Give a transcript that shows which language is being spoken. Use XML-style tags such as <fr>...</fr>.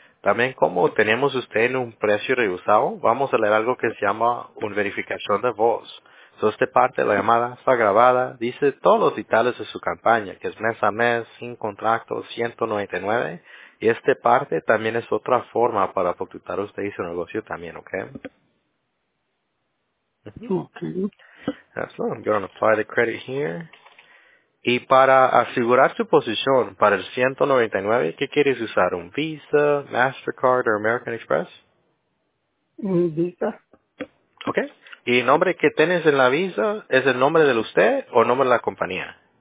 <es>También como tenemos usted en un precio rehusado, vamos a leer algo que se llama una verificación de voz. So esta parte de la llamada está grabada, dice todos los detalles de su campaña, que es mes a mes, sin contrato, 199. Y esta parte también es otra forma para facturar usted y su negocio también, ¿ok?</es> <en>So, I'm going to apply the credit here.</en> <es>Y para asegurar su posición para el 199, ¿qué quieres usar? ¿Un Visa, Mastercard o American Express? Visa. Ok. ¿Y el nombre que tienes en la Visa es el nombre de usted o el nombre de la compañía?</es>